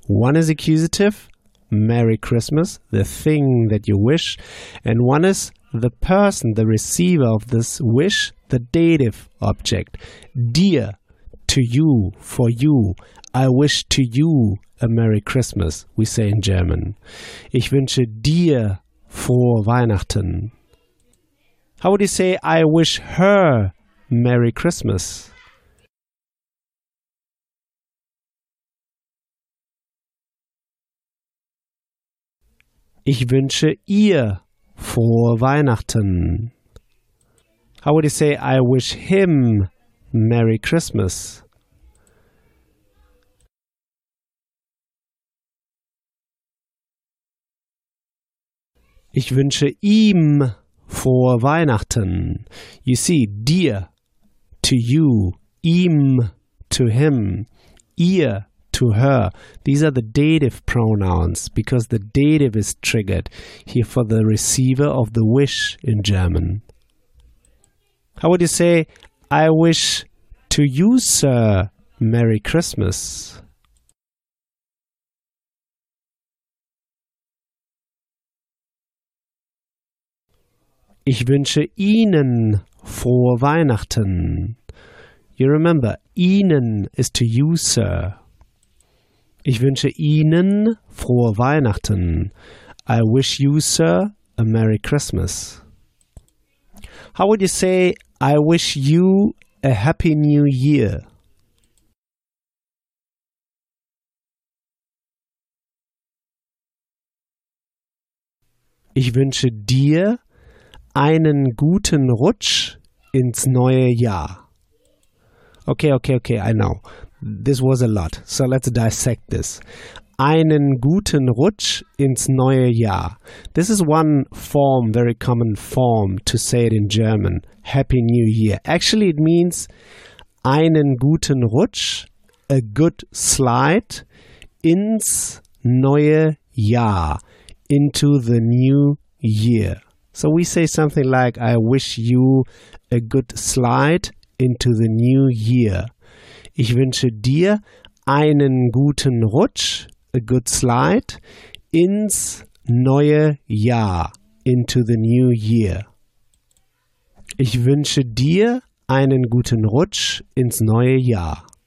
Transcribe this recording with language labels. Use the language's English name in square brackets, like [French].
[English] One is accusative, Merry Christmas, the thing that you wish, and one is the person, the receiver of this wish, the dative object. Dear, to you, for you, I wish to you a Merry Christmas, we say in German. [German] Ich wünsche dir frohe Weihnachten. [English] How would you say I wish her Merry Christmas? [German] Ich wünsche ihr frohe Weihnachten. [English] How would you say I wish him Merry Christmas? [German] Ich wünsche ihm frohe Weihnachten. [English] You see, dir, to you, ihm, to him, ihr, to her. These are the dative pronouns because the dative is triggered here for the receiver of the wish in German. How would you say, I wish to you, sir, Merry Christmas? [German] Ich wünsche Ihnen frohe Weihnachten. [English] You remember, Ihnen is to you, sir. [German] Ich wünsche Ihnen frohe Weihnachten. [English] I wish you, sir, a Merry Christmas. How would you say, I wish you a Happy New Year? [German] Ich wünsche dir einen guten Rutsch ins neue Jahr. [English] Okay, I know. This was a lot, so let's dissect this. [German] Einen guten Rutsch ins neue Jahr. [English] This is one form, very common form to say it in German. Happy New Year. Actually, it means [German] einen guten Rutsch, [English] a good slide, [German] ins neue Jahr, [English] into the new year. So we say something like, I wish you a good slide into the new year. [German] Ich wünsche dir einen guten Rutsch, [English] a good slide, [German] ins neue Jahr, [English] into the new year. [German] Ich wünsche dir einen guten Rutsch ins neue Jahr.